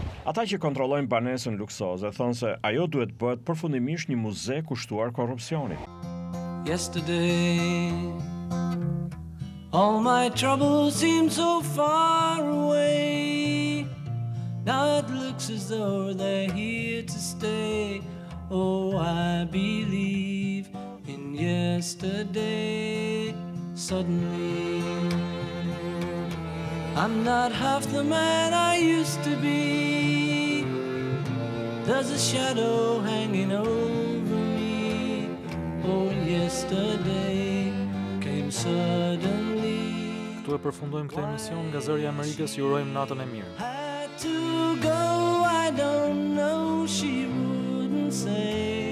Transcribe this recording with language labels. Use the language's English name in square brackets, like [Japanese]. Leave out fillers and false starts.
[Albanian] Ata që kontrollojnë banesën luksoze thonë se ajo duhet bëhet përfundimisht një muze kushtuar korrupsionit. [English] Yesterday all my troubles seem so far away. Now it looks as though they're here to stay. Oh, I believe in yesterday. Suddenly I'm not half the man I used to be. There's a shadow hanging over me. Oh, yesterday came suddenly. [Albanian] Këtu e përfundojmë këtë emision nga Zëri i Amerikës. Ju urojmë natën e mirë. [English] Had to go, I don't know, she wouldn't say.